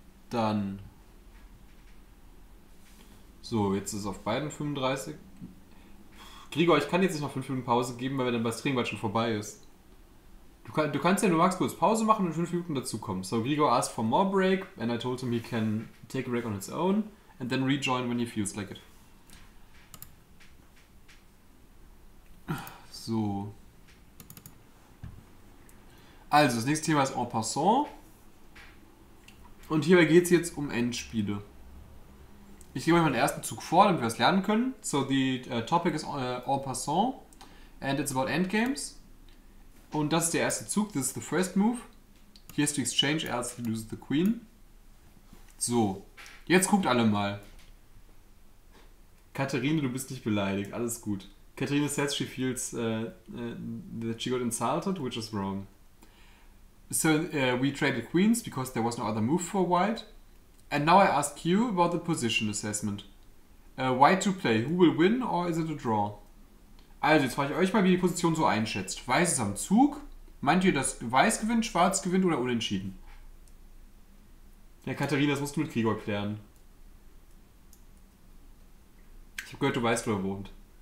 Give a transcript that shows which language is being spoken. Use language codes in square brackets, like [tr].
[de] Dann. So, jetzt ist es auf beiden 35. Gregor, ich kann jetzt nicht noch 5 Minuten Pause geben, weil dann das Trinkbad schon vorbei ist. Du kannst ja nur max kurz Pause machen und 5 Minuten dazukommen. [en] So, Grigor asked for more break, and I told him he can take a break on his own and then rejoin when he feels like it. So. [de] Also, das nächste Thema ist en passant. Und hierbei geht es jetzt um Endspiele. Ich gebe euch meinen ersten Zug vor, damit wir es lernen können. [en] So, the topic is en passant. And it's about Endgames. [de] Und das ist der erste Zug. [en] This is the first move. Here's the exchange, else you lose the queen. [de] So, jetzt guckt alle mal. [en] Katharine, [de] du bist nicht beleidigt. Alles gut. [en] Katharine says she feels that she got insulted, which is wrong. So, we traded queens because there was no other move for white. And now I ask you about the position assessment. White to play, who will win or is it a draw? [de] Also, jetzt frage ich euch mal, wie ihr die Position so einschätzt. Weiß ist am Zug? Meint ihr, dass Weiß gewinnt, Schwarz gewinnt oder unentschieden? Ja, Katharina, das musst du mit Gregor klären. Ich habe gehört, du weißt, wo er wohnt.